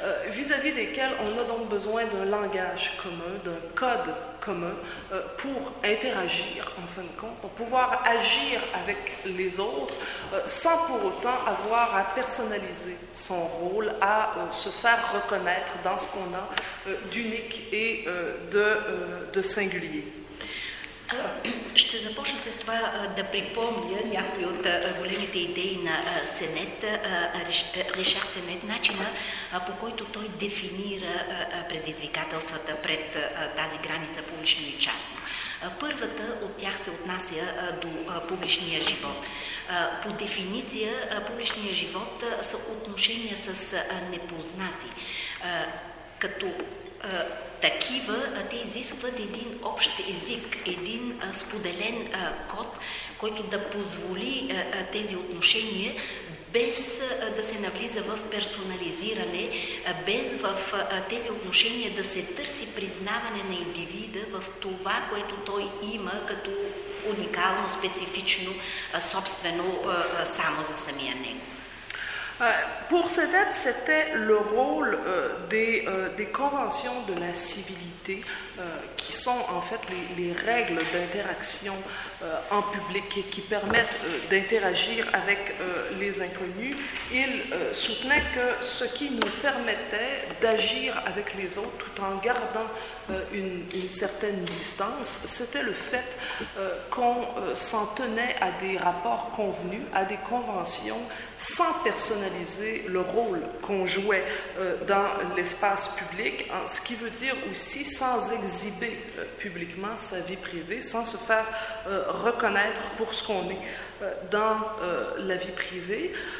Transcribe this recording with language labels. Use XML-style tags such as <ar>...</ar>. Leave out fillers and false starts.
<fr>vis-à-vis desquels on a donc besoin d'un langage commun, d'un code commun pour interagir, en fin de compte, pour pouvoir agir avec les autres sans pour autant avoir à personnaliser son rôle, à se faire reconnaître dans ce qu'on a d'unique et de singulier.</fr> <bg>Ще започна с това да припомня някои от големите идеи на Сенет, Ришар Сенет, начина по който той дефинира предизвикателствата пред тази граница публично и частно. Първата от тях се отнася до публичния живот. По дефиниция публичния живот са отношения с непознати. Като такива, те изискват един общ език, един споделен код, който да позволи тези отношения без да се навлиза в персонализиране, без в тези отношения да се търси признаване на индивида в това, което той има като уникално, специфично, собствено само за самия него.</bg> <fr>Pour Sennett, c'était le rôle des conventions de la civilité qui sont en fait les règles d'interaction en public et qui permettent d'interagir avec les inconnus. Il soutenait que ce qui nous permettait d'agir avec les autres tout en gardant une certaine distance, c'était le fait qu'on s'en tenait à des rapports convenus, à des conventions, sans personnaliser le rôle qu'on jouait dans l'espace public, hein, ce qui veut dire aussi sans exhiber publiquement sa vie privée, sans se faire reconnaître pour ce qu'on est dans la vie privée.</fr>